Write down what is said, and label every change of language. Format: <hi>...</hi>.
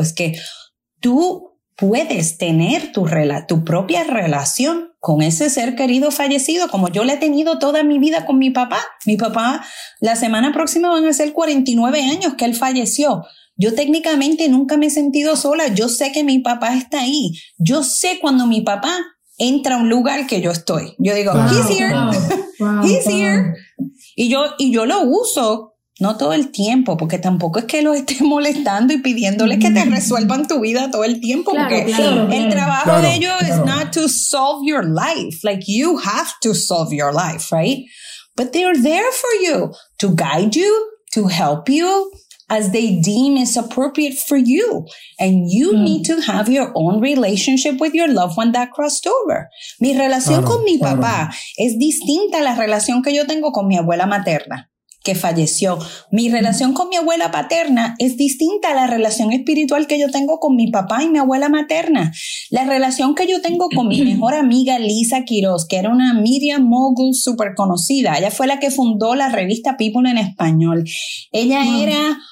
<es>Es que tú puedes tener tu propia relación con ese ser querido fallecido, como yo la he tenido toda mi vida con mi papá. Mi papá, la semana próxima van a ser 49 años que él falleció. Yo técnicamente nunca me he sentido sola. Yo sé que mi papá está ahí. Yo sé cuando mi papá entra a un lugar que yo estoy. Yo digo, wow,</es> <en>he's here, he's here.</en> <es>Y yo lo uso, no todo el tiempo, porque tampoco es que lo esté molestando y pidiéndoles que te resuelvan tu vida todo el tiempo, claro, porque el trabajo de ellos es</es> <en>not to solve your life, like you have to solve your life, right? But they are there for you, to guide you, to help you, as they deem is appropriate for you. And you need to have your own relationship with your loved one that crossed over.</en> <es>Mi relación con mi papá es distinta a la relación que yo tengo con mi abuela materna, que falleció. Mi relación con mi abuela paterna es distinta a la relación espiritual que yo tengo con mi papá y mi abuela materna. La relación que yo tengo con mi mejor amiga Lisa Quiroz, que era una media mogul súper conocida. Ella fue la que fundó la revista People en Español. Ella era</es>